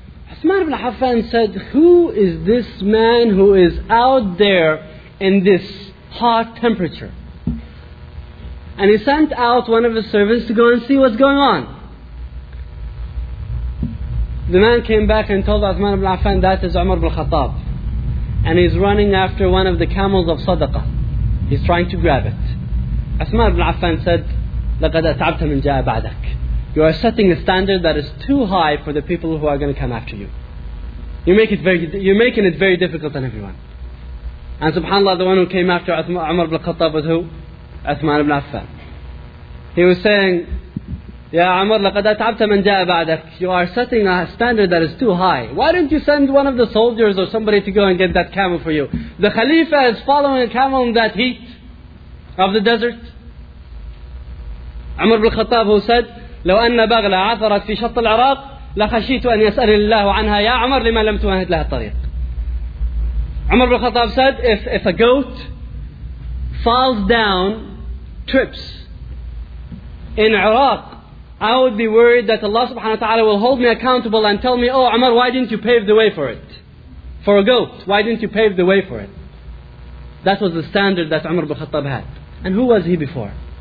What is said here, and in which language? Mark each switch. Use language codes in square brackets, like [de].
[en] Uthman ibn Affan said, who is this man who is out there in this hot temperature? And he sent out one of his servants to go and see what's going on. The man came back and told Uthman ibn Affan, that is Umar ibn Khattab. And he's running after one of the camels of Sadaqah. He's trying to grab it. Uthman ibn Affan said, [ar] لَقَدْ أَتْعَبْتَ مِنْ جَاءَ بَعْدَكَ. [en] You are setting a standard that is too high for the people who are going to come after you. You're making it very difficult on everyone. And subhanAllah, the one who came after Umar ibn Khattab was who? Uthman ibn Affan. He was saying, Ya Umar, [ar] لَقَدْ أَتْعَبْتَ مَنْ جَاءَ بَعْدَكَ. [en] You are setting a standard that is too high. Why don't you send one of the soldiers or somebody to go and get that camel for you? The Khalifa is following a camel in that heat of the desert. Umar bin Khattab, who said, [ar] لَوْ أَنَّ بَغْلَ عَثَرَتْ فِي شَطَّ الْعَرَاقِ لَخَشِيتُ أَنْ يَسْأَلِ اللَّهُ عَنْهَا يَا عَمَرْ لِمَا لَمْ تُوَهِدْ لَهَا الطَّرِيقِ. [en] Umar bin Khattab said, if a goat falls down, trips in Iraq, I would be worried that Allah subhanahu wa ta'ala will hold me accountable and tell me, oh Umar, why didn't you pave the way for it? For a goat, why didn't you pave the way for it? That was the standard that Umar bin Khattab had. And who was he before?